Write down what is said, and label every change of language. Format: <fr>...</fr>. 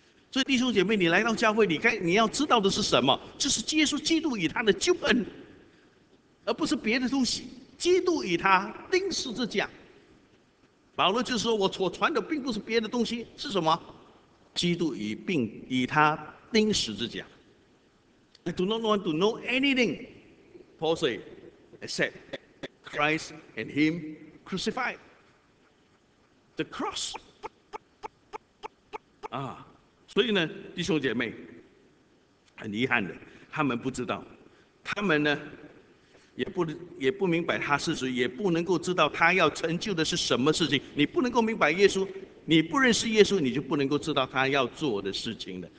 <zh>所以弟兄姐妹，你来到教会，你要知道的是什么？就是耶稣基督与他的救恩，而不是别的东西。基督与他钉十字架，保罗就是说，我所传的并不是别的东西，是什么？基督与他钉十字架。</zh> <en>I do not want to know anything, Paul say, except Christ and him crucified. The cross.</en> <zh>啊，所以呢，弟兄姐妹，很遗憾的，他们不知道，他们呢，也不明白他是谁，也不能够知道他要成就的是什么事情。你不能够明白耶稣，你不认识耶稣，你就不能够知道他要做的事情了。</zh>